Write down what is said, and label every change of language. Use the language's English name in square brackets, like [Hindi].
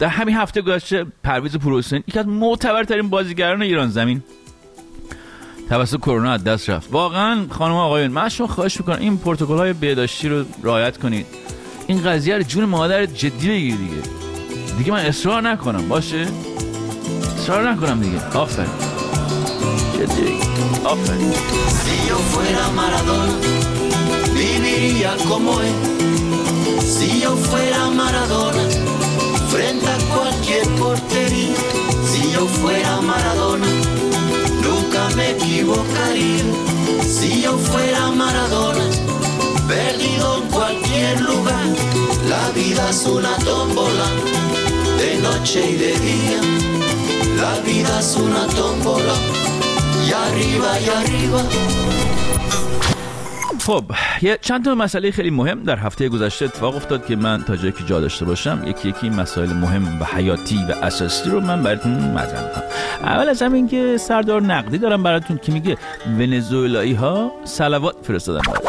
[Persian] در همین هفته گذشته پرویز پورحسینی، یکی از معتبرترین بازیگران ایران زمین، توسط کرونا از دست رفت. واقعا خانم آقایون، من شما خواهش میکنم این پروتکل های بهداشتی رو رعایت کنید. این قضیه رو جون مادر جدی بگیرید دیگه. دیگه من اصرار نکنم، باشه؟ اصرار نکنم دیگه. آفرین. جدی. آفرین. [Spanish] Si yo fuera Maradona, viviría como él. Si yo fuera Maradona, frente a cualquier portería. Si yo fuera Maradona, nunca me equivocaría. Si yo fuera Maradona, perdido en cualquier lugar. La vida es una tómbola, de noche y de día. La vida es una tómbola, y arriba y arriba. [Persian] خب یه چند تا مسئله خیلی مهم در هفته گذشته اتفاق افتاد که من تا جایی که جا داشته باشم یکی یکی مسائل مهم و حیاتی و اساسی رو من براتون مطرح کنم. اول از همین که سردار نقدی دارم براتون که میگه ونزوئلایی ها صلوات فرستادن.